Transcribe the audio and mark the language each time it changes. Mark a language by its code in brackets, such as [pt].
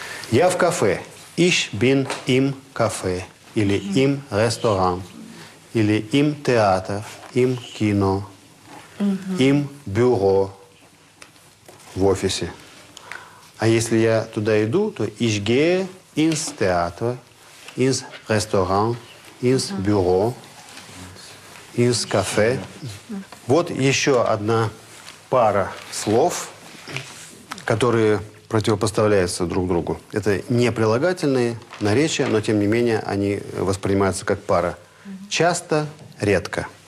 [ru] Я в кафе. [de] «Ich bin im [ru] кафе» или «im ресторан» или «im театр», «im кино», «im бюро» в офисе. А если я туда иду, то [de] ich gehe ins Theater, ins Restaurant, ins Büro, ins Café. [ru] Вот еще одна пара слов, которые противопоставляются друг другу. Это не прилагательные наречия, но тем не менее они воспринимаются как пара. Часто, редко.